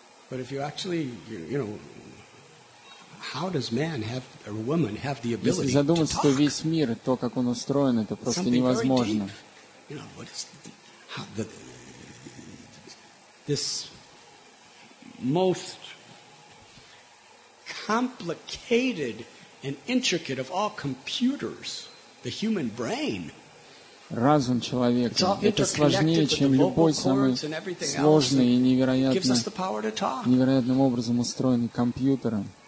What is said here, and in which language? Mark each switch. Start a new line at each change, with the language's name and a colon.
English: But if you actually, you know, how does man have or woman have the ability to talk?
Russian: Если задуматься, то весь мир, то как он устроен, это просто невозможно.
English: You know, what is this most complicated and intricate of all computers, the human brain.
Russian: Разум человека — это сложнее, чем любой самый сложный и невероятным образом устроенный компьютер.